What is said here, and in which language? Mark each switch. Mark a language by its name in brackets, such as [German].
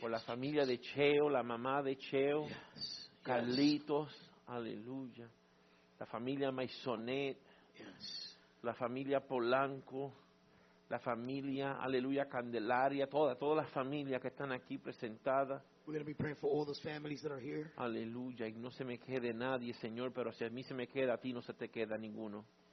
[Spanish] por la familia Jesus. De Cheo, la mamá de Cheo, [English] yes, [Spanish] Carlitos, yes. aleluya. La familia Maisonet, yes. la familia Polanco, la familia, aleluya, Candelaria, todas las familias que están aquí presentadas. [English] We're going to be praying for all those families that are here. [Spanish] Aleluya, y no se me quede nadie, Señor, pero si a mí se me queda, a ti no se te queda ninguno.